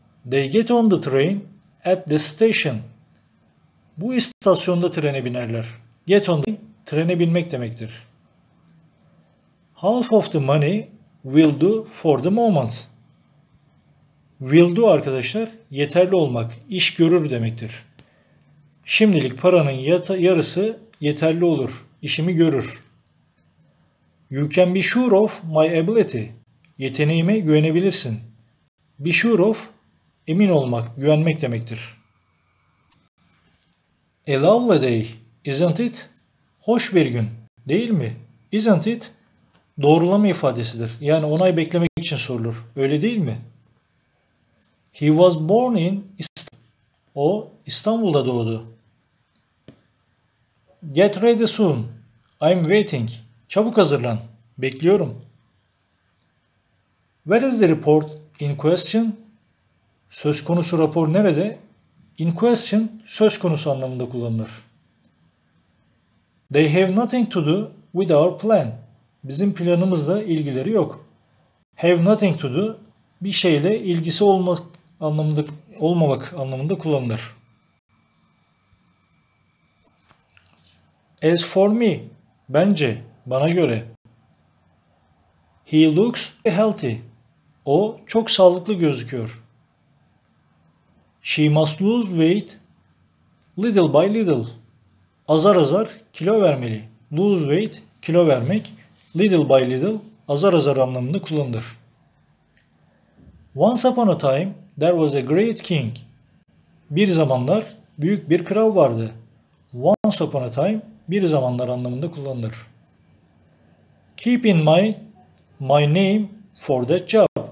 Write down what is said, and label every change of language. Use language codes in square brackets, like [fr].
[en] They get on the train at the station. [tr] Bu istasyonda trene binerler. [en] Get on the [tr] trene binmek demektir. [en] Half of the money will do for the moment. Will do [tr] arkadaşlar yeterli olmak, iş görür demektir. Şimdilik paranın yarısı yeterli olur, işimi görür. [en] You can be sure of my ability. [tr] Yeteneğime güvenebilirsin. [en] Be sure of, [tr] emin olmak, güvenmek demektir. [en] A lovely day, isn't it? [tr] Hoş bir gün, değil mi? [en] Isn't it? [tr] Doğrulama ifadesidir. Yani onay beklemek için sorulur. Öyle değil mi? [en] He was born in Istanbul. [tr] O İstanbul'da doğdu. [en] Get ready soon. I'm waiting. [tr] Çabuk hazırlan. Bekliyorum. [en] Where is the report in question? [tr] Söz konusu rapor nerede? [en] In question, [tr] söz konusu anlamında kullanılır. [en] They have nothing to do with our plan. [tr] Bizim planımızla ilgileri yok. [en] Have nothing to do, [tr] bir şeyle ilgisi olmak anlamında, olmamak anlamında kullanılır. [en] As for me, [tr] bence, bana göre. [en] He looks healthy. [tr] O çok sağlıklı gözüküyor. [en] She must lose weight little by little. [tr] Azar azar kilo vermeli. [en] Lose weight, [tr] kilo vermek. [en] Little by little, [tr] azar azar anlamında kullanılır. [en] Once upon a time, there was a great king. [tr] Bir zamanlar büyük bir kral vardı. [en] Once upon a time, [tr] bir zamanlar anlamında kullanılır. [en] Keep in mind my name for that job.